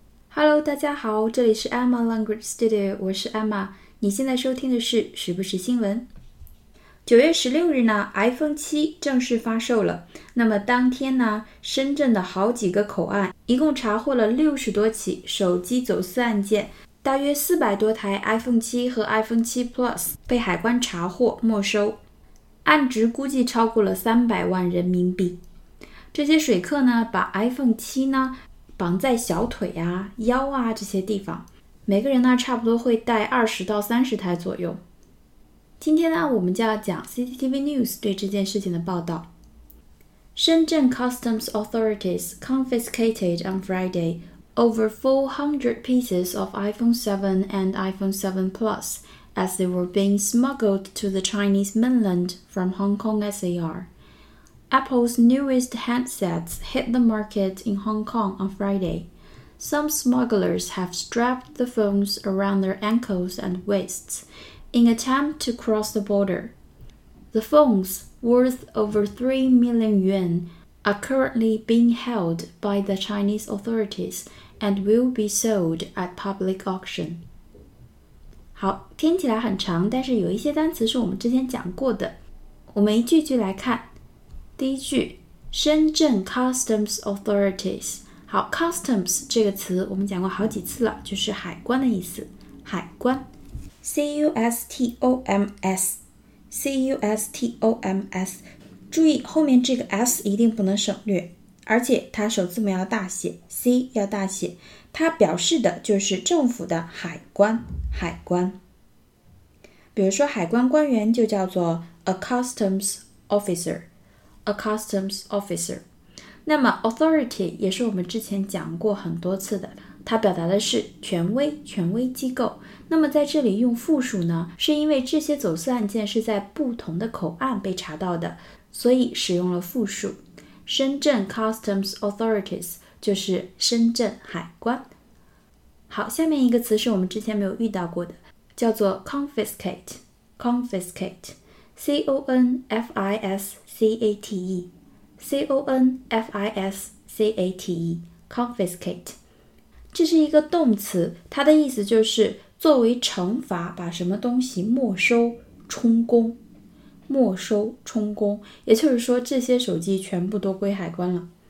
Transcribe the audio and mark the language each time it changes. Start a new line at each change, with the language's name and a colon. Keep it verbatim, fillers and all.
Chinese: Hello， 大家好，这里是 Emma Language Studio， 我是 Emma。你现在收听的是时不时新闻。九月十六日呢 ，iPhone 七正式发售了。那么当天呢，深圳的好几个口岸一共查获了六十多起手机走私案件，大约四百多台 iPhone 七和 iPhone 七 Plus 被海关查获没收，案值估计超过了三百万人民币。这些水客呢，把 iPhone 七呢。绑在小腿啊、腰啊这些地方，每个人呢差不多会带二十到三十台左右。今天呢，我们就要讲 C C T V News 对这件事情的报道。
English: 深圳 Customs authorities confiscated on Friday over four hundred pieces of iPhone seven and iPhone seven Plus as they were being smuggled to the Chinese mainland from Hong Kong S A R. Apple's newest handsets hit the market in Hong Kong on Friday. Some smugglers have strapped the phones around their ankles and waists in an attempt to cross the border. The phones, worth over three million yuan, are currently being held by the Chinese authorities and will be sold at public auction.
Chinese: 好，听起来很长，但是有一些单词是我们之前讲过的，我们一句句来看。第一句，深圳 Customs Authorities。好， Customs 这个词我们讲过好几次了，就是海关的意思，海关 C U S T O M S C U S T O M S， 注意后面这个 S 一定不能省略，而且它首字母要大写， C 要大写，它表示的就是政府的海关，海关。比如说海关官员就叫做 A Customs Officer， A customs officer。那么 authority 也是我们之前讲过很多次的，它表达的是权威，权威机构。那么在这里用复数呢，是因为这些走私案件是在不同的口岸被查到的，所以使用了复数。深圳 customs authorities 就是深圳海关。好，下面一个词是我们之前没有遇到过的，叫做 confiscate。 confiscate C O N F I S C A T E C O N F I S C A T E confiscate， 这是一个动词，它的意思就是作为惩罚把什么东西没收充公，没收充公，也就是说这些手机全部都归海关了。